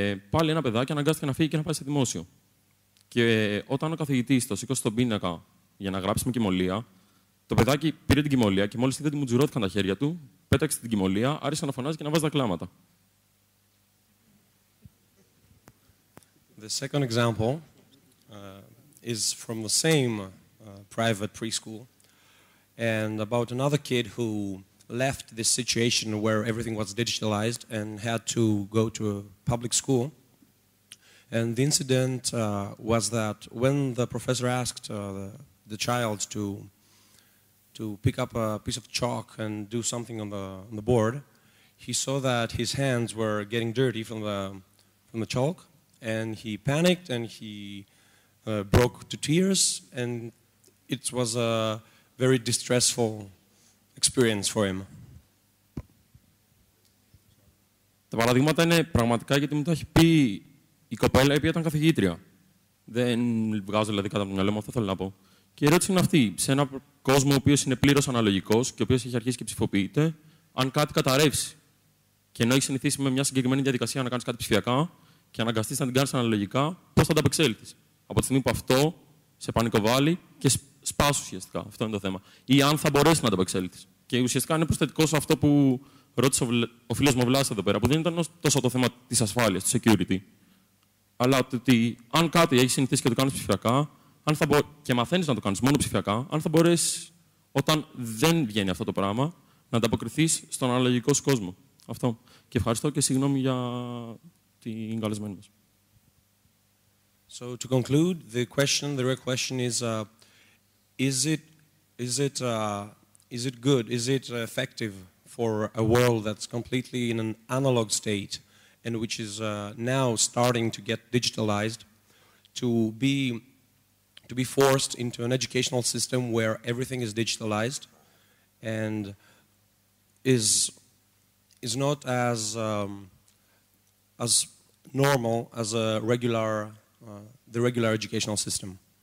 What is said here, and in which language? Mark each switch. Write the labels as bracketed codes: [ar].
[el] Πάλι ένα παιδάκι αναγκάστηκε να φύγει και να πάει σε δημόσιο. Και όταν ο καθηγητής το σήκωσε στον πίνακα για να γράψει με κυμωλία, το παιδάκι πήρε την κυμωλία και μόλις είδε ότι μου τζουρώθηκαν τα χέρια του, πέταξε την κυμωλία, άρχισε να φωνάζει και να βάζει τα κλάματα. [en] The second example is from the same private preschool and about another kid who left this situation where everything was digitalized and had to go to a public school. And the incident was that when the professor asked the child to pick up a piece of chalk and do something on the board, he saw that his hands were getting dirty from the chalk, and he panicked and he broke to tears, and it was a very distressful experience for him. [el] Τα παραδείγματα είναι πραγματικά γιατί μου το έχει πει η κοπέλα η οποία ήταν καθηγήτρια. Δεν βγάζω δηλαδή κάτω από το μυαλό μου, αυτό θέλω να πω. Και η ερώτηση είναι αυτή. Σε έναν κόσμο ο οποίος είναι πλήρως αναλογικός και ο οποίος έχει αρχίσει και ψηφοποιείται, αν κάτι καταρρεύσει και ενώ έχει συνηθίσει με μια συγκεκριμένη διαδικασία να κάνεις κάτι ψηφιακά και αναγκαστείς να την κάνεις αναλογικά, πώς θα ανταπεξέλθεις. Από τη στιγμή που αυτό σε πανικοβάλλει και σπάσει ουσιαστικά. Αυτό είναι το θέμα. Ή αν θα μπορέσεις να ανταπεξέλθεις. Και ουσιαστικά είναι προσθετικό σε αυτό που ρώτησε ο φίλος μου Βλάσης εδώ πέρα, που δεν ήταν τόσο το θέμα της ασφάλειας, του security, αλλά ότι αν κάτι έχει συνηθίσει και το κάνεις ψηφιακά. Αν θα και μαθαίνεις να το κάνεις μόνο ψηφιακά, αν θα μπορέσεις, όταν δεν βγαίνει αυτό το πράγμα, να ανταποκριθείς στον αναλογικό σου κόσμο. Αυτό. Και ευχαριστώ και συγγνώμη για την καλεσμένη μας. [en] So to conclude, the real question is it good? Is it effective for a world that's completely in an analog state and which is now starting to get digitalized to be forced into an educational system where everything is digitalized and is not as as normal as a regular the regular educational system?